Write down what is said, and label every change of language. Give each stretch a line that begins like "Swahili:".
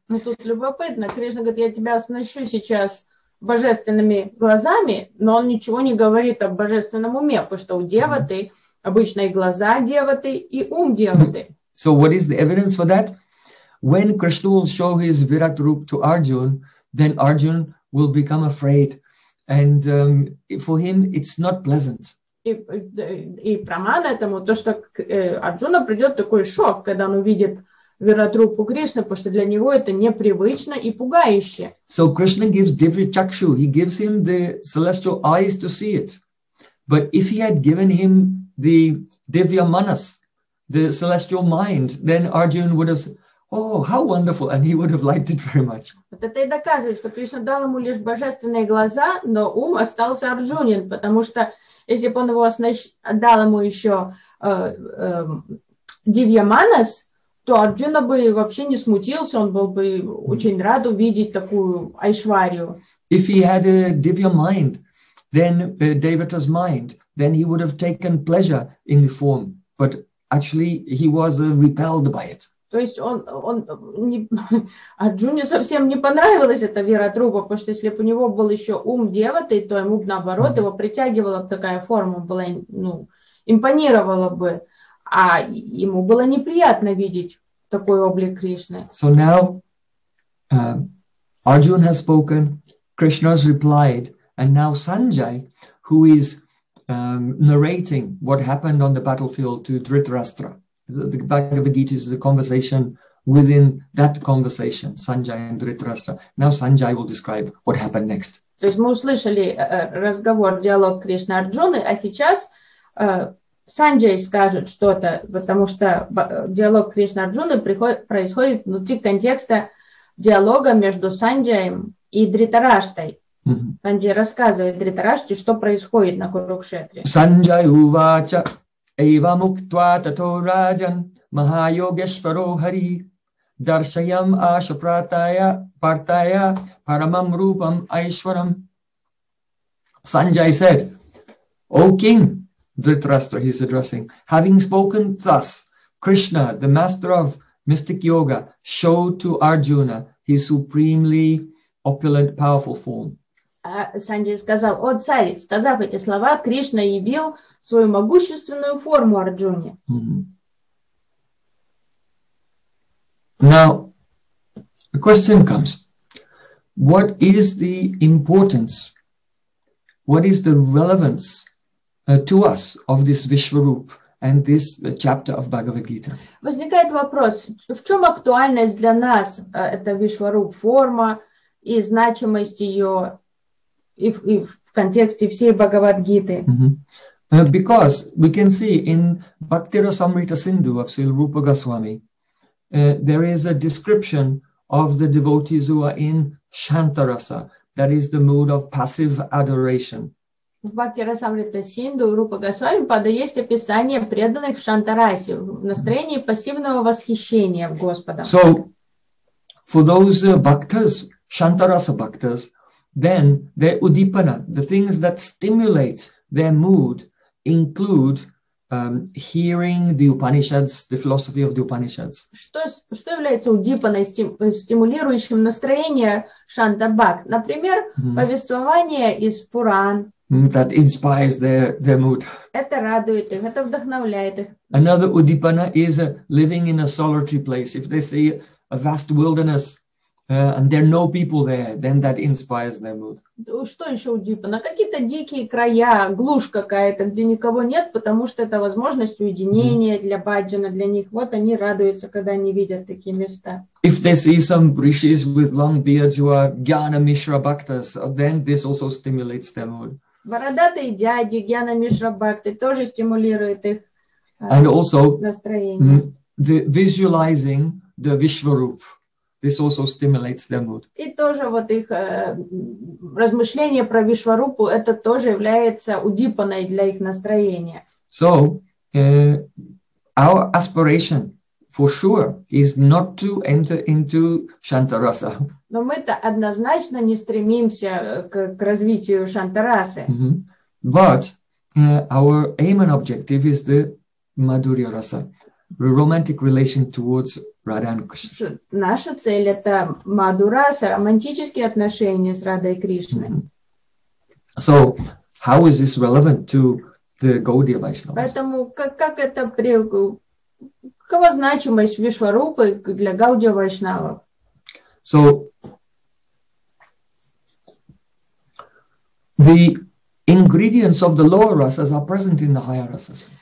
Russian: Ну тут любопытно. Кришна говорит, я тебя оснащу сейчас божественными глазами, но он ничего не говорит о божественном уме, потому что у Деваты обычно и глаза Деваты, и ум Деваты.
English: So what is the evidence for that? When Krishna will show his Virat Rup to Arjuna, then Arjuna will become afraid. And for him, it's not pleasant.
Russian: И прамана этому, то, что Арджуна придет такой шок, когда он увидит Виратрупу Кришны, потому что для него это непривычно и пугающе.
English: So Krishna gives Divya Chakshu, he gives him the celestial eyes to see it. But if he had given him the Divya Manas, the celestial mind, then Arjuna would have said, oh, how wonderful, and he would have liked it very much.
Russian: Вот это и доказывает, что Кришна дал ему лишь божественные глаза, но ум остался Арджунин, потому что если бы он его дал ему еще Дивья Манас, то Арджуна бы вообще не смутился, он был бы очень рад увидеть такую Айшварию.
English: If he had a Divya mind, then Devata's mind, then he would have taken pleasure in the form, but actually he was repelled by it.
Russian: То есть он не, Арджуне совсем не понравилась эта Виратрупа, потому что если бы у него был еще ум Деваты, то ему бы наоборот его притягивала бы такая форма, была, ну, импонировала бы. А ему было неприятно видеть такой облик Кришны.
English: So now Arjuna has spoken, Krishna has replied, and now Sanjay, who is narrating what happened on the battlefield to Dhritarashtra. The Bhagavad Gita is the conversation within that conversation, Sanjay and Dhritarashtra. Now Sanjay will describe what happened next.
Russian: То есть мы услышали разговор, диалог Кришны и Арджуны, а сейчас Санджай скажет что-то, потому что диалог Кришны и Арджуны происходит внутри контекста диалога между Санджаем и Дхритараштрой. Mm-hmm. Санджай рассказывает Дхритараштре, что происходит на Курукшетре.
Sanskrit: Санджай увача. Эйва муктва тато раджан, Mahayogeshvaro Hari, Darshayam Ashaprataya Partaya Paramam Rupam Aishwaram.
English: Sanjay said, O King, Dhritarashtra, he's addressing, having spoken thus, Krishna, the master of mystic yoga, showed to Arjuna his supremely opulent, powerful form.
Russian: Санджай сказал, о царь, сказав эти слова, Кришна явил свою могущественную форму Арджуне. Mm-hmm.
English: Now, the question comes, what is the importance, what is the relevance to us of this Vishwarup and this chapter of Bhagavad Gita?
Russian: Возникает вопрос, в чем актуальность для нас эта Вишваруп форма и значимость ее в контексте всей Бхагавад-гиты. Mm-hmm.
English: Because we can see in Bhaktirasamrita Sindhu of Srila Rupa Goswami, there is a description of the devotees who are in Shantarasa, that is the mood of passive adoration.
Russian: В Бхактирасамрита Синду Рупа Госвами есть описание преданных в Шантарасе в настроении пассивного восхищения в Господа.
English: So, for those bhaktas, Shantarasa bhaktas, then their udipana, the things that stimulate their mood, include hearing the Upanishads, the philosophy of the Upanishads.
Russian: Что является удипаной, стимулирующим настроение Шантабак? Например, повествование из Пуран.
English: That inspires their mood.
Russian: Это радует их, это вдохновляет их.
English: Another udipana is living in a solitary place. If they see a vast wilderness, and there are no people there, then that inspires their mood.
Russian: Что еще удипана? Какие-то дикие края, глушь какая-то, где никого нет, потому что это возможность уединения для баджана, для них. Вот они радуются, когда они видят такие места.
English: If they see some rishis with long beards who are Jnana Mishra Bhaktas, then this also stimulates their mood.
Russian: Бородатые дяди, Гьяна Мишра Бхакты, тоже стимулирует их настроение.
English: The visualizing the Vishwarup, this also stimulates their mood.
Russian: И тоже вот их размышление про Вишварупу, это тоже является удипаной для их настроения.
English: So, our aspiration, for sure, is not to enter into Shantarasa.
Russian: Но мы-то однозначно не стремимся к развитию Шантарасы. Mm-hmm.
English: But our aim and objective is the Madhurya Rasa, the romantic relation towards Radha and Krishna.
Russian: Наша цель — это Мадхураса, романтические отношения с Радой Кришной.
English: So, how is this relevant to the Gaudiya Vaishnavas?
Russian: Поэтому как это при... Какова значимость Вишварупы для Гаудия Вайшнава?
English: So, the ingredients of the lower rasas are present in the higher rasas.